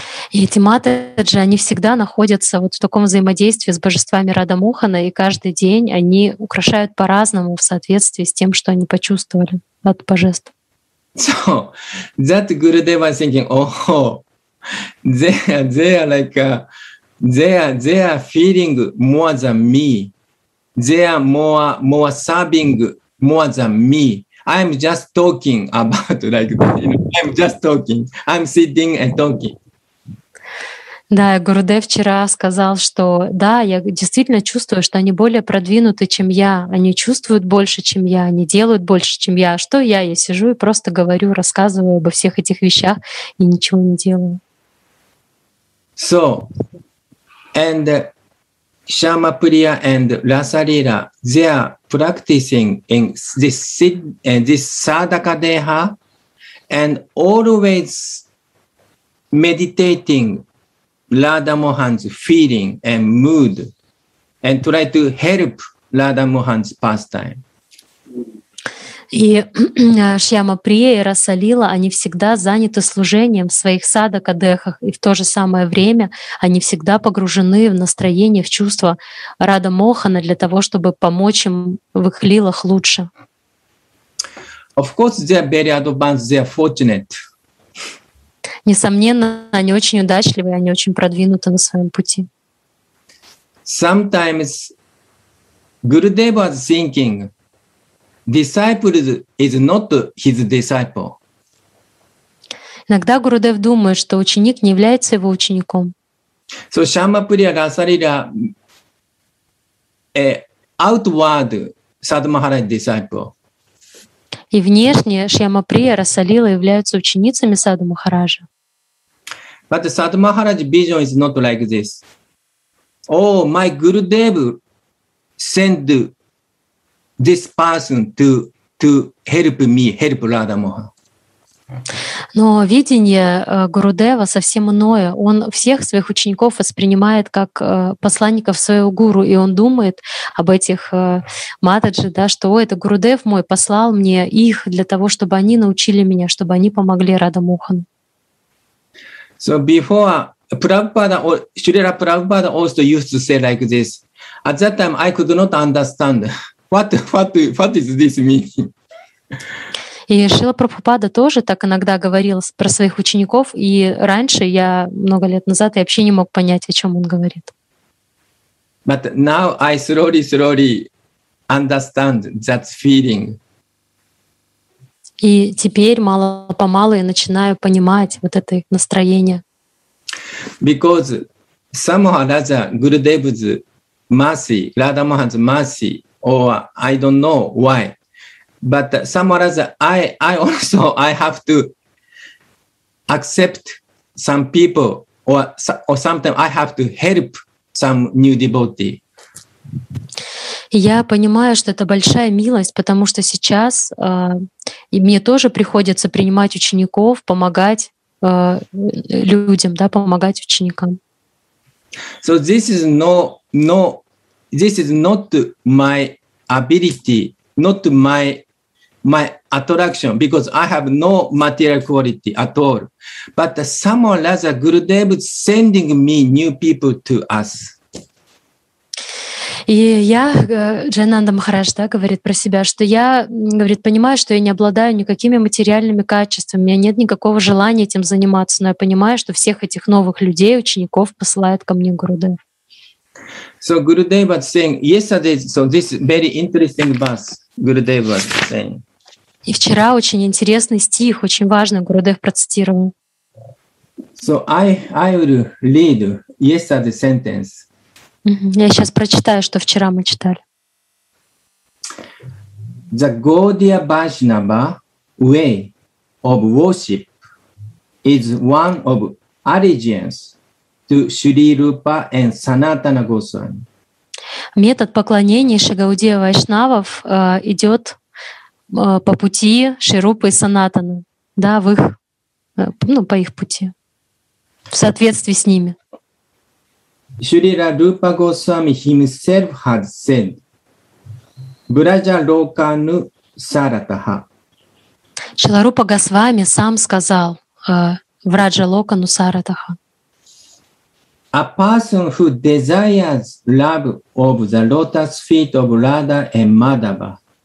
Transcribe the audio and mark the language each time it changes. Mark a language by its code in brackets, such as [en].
[ru] И эти матаджи, они всегда находятся вот в таком взаимодействии с божествами Радха Мохана, и каждый день они украшают по-разному в соответствии с тем, что они почувствовали от божеств. [en] So, that Gurudev was thinking, oh, they are feeling more than me. They are more serving more than me. I'm just talking about, like, you know, I'm just talking. I'm sitting and talking. [ru] Да, Гурудев вчера сказал, что да, я действительно чувствую, что они более продвинуты, чем я. Они чувствуют больше, чем я, они делают больше, чем я. Что я? Я сижу и просто говорю, рассказываю обо всех этих вещах и ничего не делаю. [en] So, and Shyamaprabha and Rasalila, they are practicing in this sadhaka deha and always meditating Radha Mohan's feeling and mood, and try to help Radha Mohan's pastime. [ru] И Шьямаприя и Расалила, они всегда заняты служением в своих садакадехах, и в то же самое время они всегда погружены в настроение, в чувства Радха Мохана для того, чтобы помочь им в их лилах лучше. [en] Of course, they are very advanced, they are fortunate. [ru] Несомненно, они очень удачливые, они очень продвинуты на своем пути. [en] Sometimes Gurudev was thinking, disciple is not his disciple. [ru] Иногда Гурудев думает, что ученик не является его учеником. [en] So Shyamaprabha, Rasalila, outward Sadmaharaj disciple. [ru] И внешне Шьямаприя, Расалила являются ученицами Садху Махараджа. [en] But Sadhu Maharaj's vision is not like this. Oh, my Gurudev send this person to to help me, help Radha Mohan. [ru] Но видение Гурудева совсем иное. Он всех своих учеников воспринимает как посланников своего гуру, и он думает об этих матаджи, да, что «О, это Гурудев мой послал мне их для того, чтобы они научили меня, чтобы они помогли Радха Мохан». [en] So before Prabhupada, Шрила Прабхупада also used to say like this. At that time I could not understand what is this meaning. [ru] И Шрила Прабхупада тоже так иногда говорил про своих учеников, и раньше, я много лет назад, я вообще не мог понять, о чем он говорит. [en] But now I slowly understand that feeling. [ru] И теперь мало-помалу я начинаю понимать вот это настроение. [en] Because somehow Raja Gurudev's mercy, Radha Mohan's mercy, or I don't know why, but somewhere else, I also have to accept some people, or sometimes I have to help some new devotee. [ru] Я понимаю, что это большая милость, потому что сейчас мне тоже приходится принимать учеников, помогать людям, да, помогать ученикам. [en] So this is not my ability, not my attraction, because I have no material quality at all. But somehow or other, Gurudev is sending me new people to us. [ru] И я, Джайнанда Махарадж, да, говорит про себя, что я, говорит, понимаю, что я не обладаю никакими материальными качествами, у меня нет никакого желания этим заниматься, но я понимаю, что всех этих новых людей, учеников посылает ко мне Гурудев. [en] So Gurudev was saying yesterday, so this very interesting verse Gurudev was saying. [ru] И вчера очень интересный стих, очень важный, Гурудев процитировал. [en] So I will read yesterday's sentence. [ru] Я сейчас прочитаю, что вчера мы читали. [en] The Gaudiya Vaishnava way of worship is one of allegiance to Sri Rupa and Sanatana Goswami. [ru] Метод поклонения Шагаудия Вайшнавов идет по пути Шрирупы и Санатаны, да, в их, ну, по их пути, в соответствии с ними. [en] Шрила Рупа Госвами himself has said, [sa] Браджа Локану Саратаха. [ru] Шрила Рупа Госвами сам сказал [sa] Браджа Локану Саратаха. [en] A person who desires love of the lotus feet of Radha and Madhava.